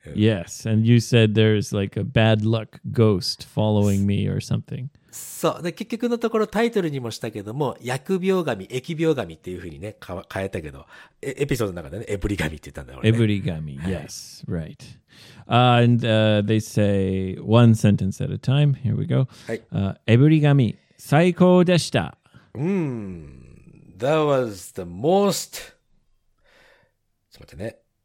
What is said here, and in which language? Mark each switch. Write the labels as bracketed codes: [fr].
[en] Yes, and you said there's like a bad luck ghost following me or something. [ja] そう、で結局のところタイトルにもしたけども、薬病神、疫病神っていう風にね変えたけど、エピソードの中でね、エブリ神って言ったんだよ、ね。 [en] エブリ神、yes, right. And they say one sentence at a time. Here we go. エブリ神、 [ja] 最高でした。 [en] That was the most. [ja] ちょっと待ってね。